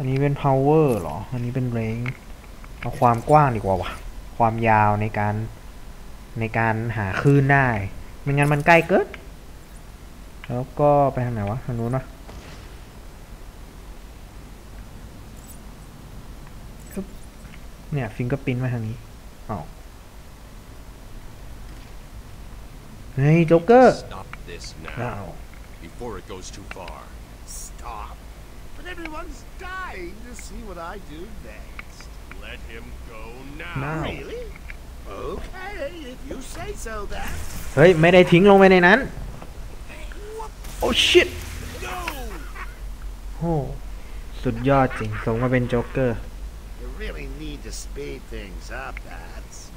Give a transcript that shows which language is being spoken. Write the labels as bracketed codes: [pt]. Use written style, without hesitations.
[th] น power หรออันนี้เป็น range เอาความกว้างดีกว่าวะความยาวในการหาคลื่นได้ไม่งั้นมันใกล้เกินแล้วก็ไปทางไหนวะทางนู้นปะเนี่ย fingerprint มาทางนี้อ๋อเฮ้ยโจ๊กเกอร์ [en] Stop this now before it goes too far. Stop. But everyone's dying to see what I do next. Let him go now. Really? Okay, if you say so then. [th] เฮ้ยไม่ได้ทิ้งลงไปในนั้น [en] Oh shit. [th] โหสุดยอดจริงสมกับเป็นโจ๊กเกอร์ [en] You really need to speed things up, lads.